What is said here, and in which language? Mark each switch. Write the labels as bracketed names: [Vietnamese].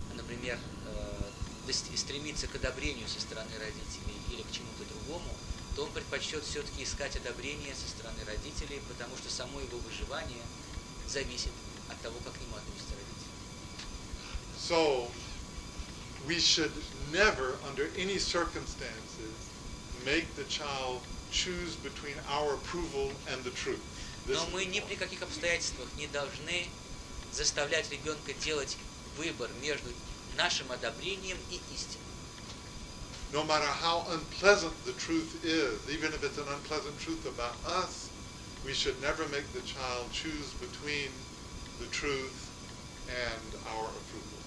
[Russian] ревность и стремится к одобрению со стороны родителей или к чему-то другому, то он предпочтет все-таки искать одобрение со стороны родителей, потому что само его выживание зависит от того, как к нему относятся родители. [English] So, we should never, under any circumstances, make the child choose between our approval and the truth. [Russian] Но мы ни при каких обстоятельствах не должны заставлять ребенка делать выбор между нашим одобрением и истиной. [English] No matter how unpleasant the truth is, even if it's an unpleasant truth about us, we should never make the child choose between the truth and our approval.